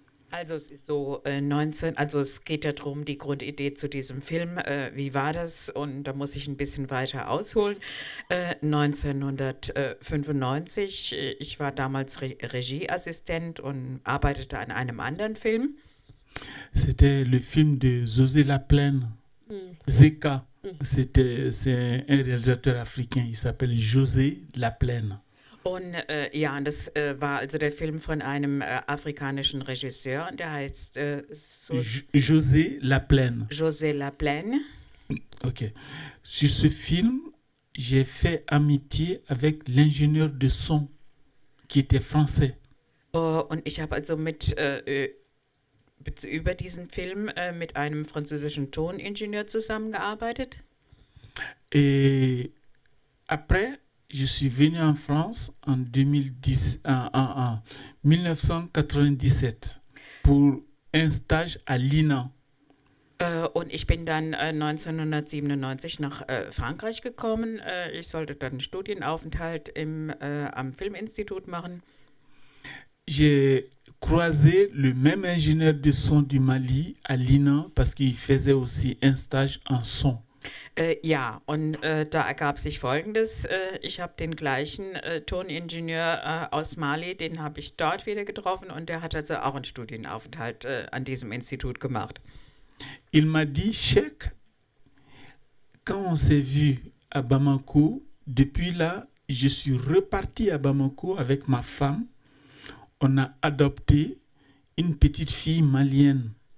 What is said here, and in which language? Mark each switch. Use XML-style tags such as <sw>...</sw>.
<de>Also es ist so 19, also es geht ja darum, die Grundidee zu diesem Film, wie war das? Und da muss ich ein bisschen weiter ausholen. 1995, ich war damals Re Regieassistent und arbeitete an einem anderen Film.</de> <fr>C'était le film de José Laplaine, Zeka. C'est un réalisateur africain. Il s'appelle José Laplaine.</fr> <de>Und ja, das war also der Film von einem afrikanischen Regisseur, der heißt José Laplaine. José Laplaine. Ok.</de> <fr>Sur ce film, j'ai fait amitié avec l'ingénieur de son qui était français.</fr> <de>Und ich habe also über diesen Film mit einem französischen Toningenieur zusammengearbeitet.</de> <fr>Et après, je suis venu en France en 2010, en 1997 pour un stage à l'INA.</fr> <de>Und ich bin dann 1997 nach Frankreich gekommen. Ich sollte dann einen Studienaufenthalt am Filminstitut machen.</de> <fr>J'ai croisé le même ingénieur de son du Mali à l'INA parce qu'il faisait aussi un stage en son.</fr> <de>Ja, und da ergab sich Folgendes. Ich habe den gleichen Toningenieur aus Mali, den habe ich dort wieder getroffen und der hat also auch einen Studienaufenthalt an diesem Institut gemacht.</de> <fr>Il m'a dit, Cheikh, quand on s'est vu à Bamako, depuis là, je suis reparti à Bamako avec ma femme. On a adopté une petite fille malienne.</fr>